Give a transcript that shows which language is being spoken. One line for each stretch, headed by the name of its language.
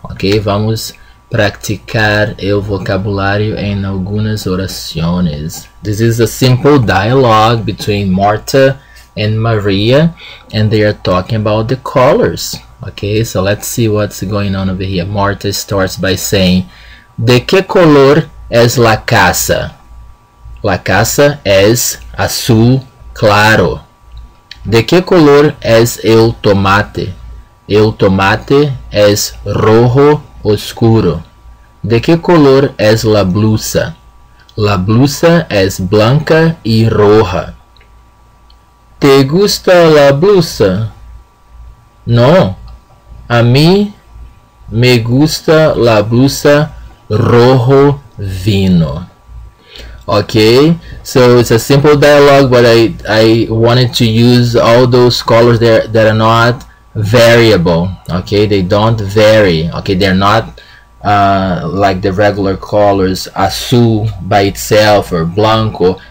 Spanish: Okay, vamos practicar el vocabulario en algunas oraciones.
English: This is a simple dialogue between Marta and Maria, and they are talking about the colors. Okay, so let's see what's going on over here. Marta starts by saying,
Spanish: ¿De qué color es la casa? La casa es azul claro. ¿De qué color es el tomate? El tomate es rojo oscuro. ¿De qué color es la blusa? La blusa es blanca y roja. ¿Te gusta la blusa? No, a mí me gusta la blusa rojo vino.
English: Okay, so it's a simple dialogue, but I wanted to use all those colors there that are not variable. Okay, they don't vary. Okay, they're not like the regular colors, azul by itself or blanco.